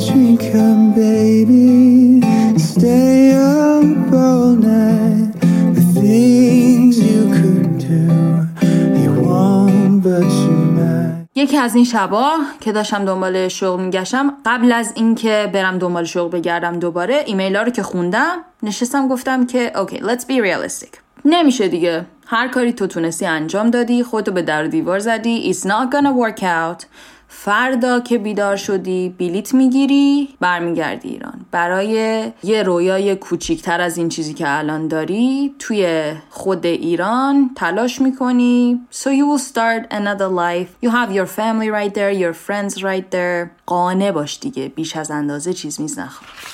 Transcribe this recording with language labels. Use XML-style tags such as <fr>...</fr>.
<en>She can baby stay up all night, the things you could do you won't but you might.</en> <fa>یکی از این شبا که داشتم دنبال شغل میگشتم, قبل از اینکه برم دنبال شغل بگردم دوباره, ایمیل ها رو که خوندم نشستم گفتم که اوکی</fa> <en>let's be realistic,</en> <fa>نمیشه دیگه, هر کاری تو تونستی انجام دادی, خودتو به در دیوار زدی,</fa> <en>it's not gonna work out.</en> <fa>فردا که بیدار شدی بلیط میگیری برمیگردی ایران برای یه رویای کوچیکتر از این چیزی که الان داری توی خود ایران تلاش میکنی.</fa> <en>So you will start another life, you have your family right there, your friends right there.</en> <fa>قانع باش دیگه, بیش از اندازه چیز میز نخور.</fa>